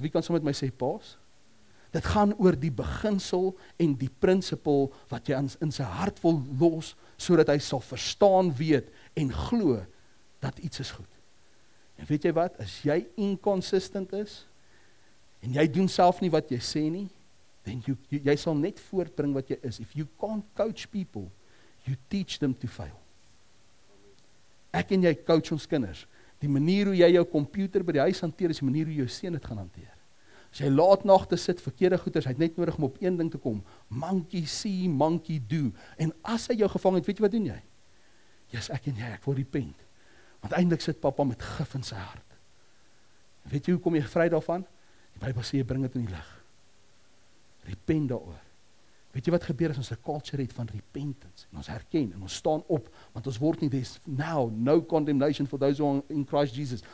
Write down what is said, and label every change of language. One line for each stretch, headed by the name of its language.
Afrikaans: Wie kan so met my sê, paas? Dit gaan oor die beginsel en die principle wat jy in sy hart wil los, so dat hy sal verstaan, weet en glo, dat iets is goed. En weet jy wat? As jy inconsistent is, en jy doen self nie wat jy sê nie, then jy sal net voortbring wat jy is.
English: If you can't coach people, you teach them to fail.
Afrikaans: Ek en jy coach ons kinders. Die manier hoe jy jou computer by die huis hanteer, is die manier hoe jou seun dit gaan hanteer. As jy laat nagte sit, verkeerde goeders, hy het net nodig om op een ding te kom.
English: Monkey see, monkey do.
Afrikaans: En as hy jou gevang het, weet jy wat doen jy? Yes, ek en jy, ek word repent. Want eindelijk sit papa met gif in sy hart. Weet jy hoe kom jy vry daarvan? Die Bybel sê, jy bring het in die lig. Repent daaroor. Weet jy wat gebeur as ons 'n culture het van repentance, en ons herken, en ons staan op, want ons word nie,
English: there's now no condemnation for those who are in Christ Jesus.